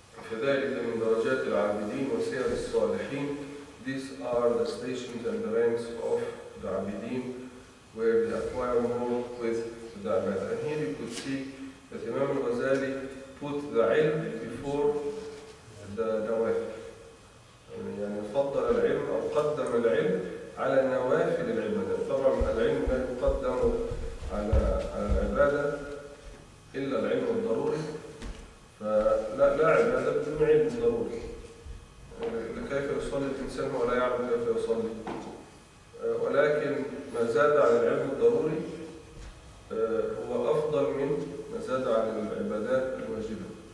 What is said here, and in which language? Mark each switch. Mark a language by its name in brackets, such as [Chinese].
[Arabic] فذلك من درجات العابدين وسير الصالحين. [English] These are the stations and the ranks of the عابدين where they acquire more with the عبادة. And here you could see that Imam al-Ghazali put the علم before the نوافل. [Arabic] يعني فضل العلم أو قدم العلم على نوافل العبادة. طبعا العلم لا يقدم على العبادة إلا العلم الضروري. فلا لا عبادة بدون علم ضروري. كيف يصلي الإنسان ولا يعلم كيف يصلي؟ ولكن ما زاد عن العلم الضروري هو أفضل من ما زاد عن العبادات الواجبة.